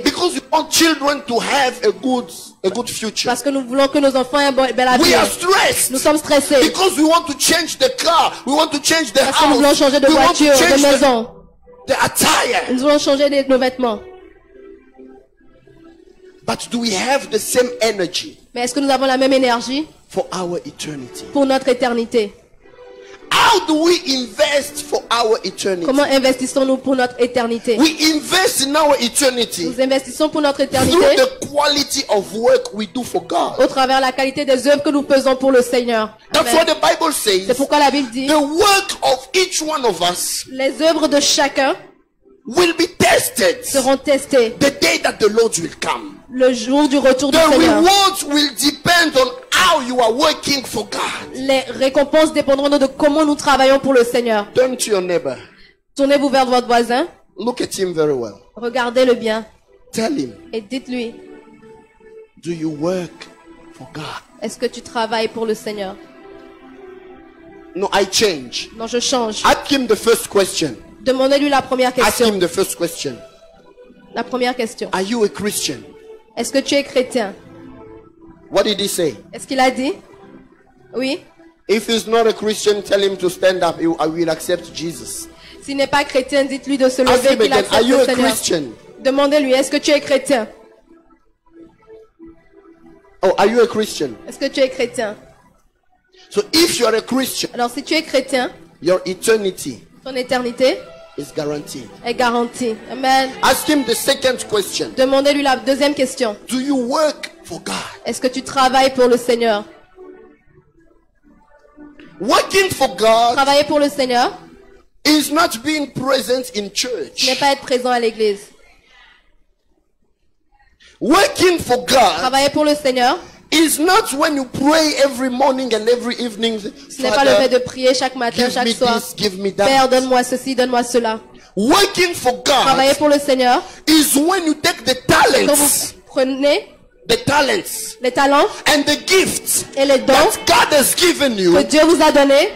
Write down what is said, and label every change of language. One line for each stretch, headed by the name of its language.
English: Because we want children to have a good future.
French: Parce que nous voulons que nos enfants aient un bel avenir.
English: We are stressed.
French: Nous sommes stressés.
English: Because we want to change the car. We want to change the
French: Parce
English: house.
French: Nous voulons changer de
English: we
French: voiture,
English: want to change
French: de maison.
English: The attire.
French: Nous voulons changer nos vêtements.
English: But do we have the same energy?
French: Mais est-ce que nous avons la même énergie?
English: For our eternity.
French: Pour notre éternité.
English: How do we invest for our eternity?
French: Comment investissons-nous pour notre éternité?
English: We invest in our eternity.
French: Nous investissons pour notre éternité.
English: Through the quality of work we do for God.
French: Au travers la qualité des œuvres que nous faisons pour le Seigneur.
English: That's what the Bible says.
French: C'est pourquoi la Bible dit.
English: The work of each one of us.
French: Les œuvres de chacun.
English: Will be tested.
French: Seront testées.
English: The day that the Lord will come.
French: Le jour du retour du Seigneur.
English: The rewards will depend on how you are working for God.
French: Les récompenses dépendront de comment nous travaillons pour le Seigneur.
English: Turn to your neighbor.
French: Tournez-vous vers votre voisin.
English: Look at him very well.
French: Regardez-le bien.
English: Tell him.
French: Et dites-lui.
English: Do you work for God?
French: Est-ce que tu travailles pour le Seigneur?
English: No, I change.
French: Non, je change.
English: Ask him the first question.
French: Demandez-lui la première question.
English: Ask him the first question.
French: La première question.
English: Are you a Christian?
French: Est-ce que tu es chrétien?
English: What did he say?
French: Est-ce qu'il a dit? Oui.
English: If he's not a Christian, tell him to stand up. I will accept Jesus.
French: S'il n'est pas chrétien, dites-lui de se lever.
English: Ask him again. Are you a Christian?
French: Demandez-lui. Est-ce que tu es chrétien?
English: Oh, are you a Christian?
French: Est-ce que tu es chrétien?
English: So if you are a Christian,
French: alors si tu es chrétien,
English: your eternity,
French: ton éternité.
English: Is guaranteed.
French: Est garanti. Amen.
English: Ask him the second question.
French: Demandez-lui la deuxième question.
English: Do you work for God?
French: Est-ce que tu travailles pour le Seigneur?
English: Working for God.
French: Travailler pour le Seigneur.
English: Is not being present in church.
French: N'est pas être présent à l'église.
English: Working for God.
French: Travailler pour le Seigneur.
English: Is not when you pray every morning and every evening.
French: Ce n'est pas le fait de prier chaque matin, chaque soir.
English: Give me this,
French: Père, donne-moi ceci, donne-moi cela.
English: Working for God.
French: Travailler pour le Seigneur.
English: Is when you take the talents.
French: Quand vous prenez.
English: The talents.
French: Les talents.
English: And the gifts.
French: Et les dons.
English: That God has given you.
French: Que Dieu vous a donné.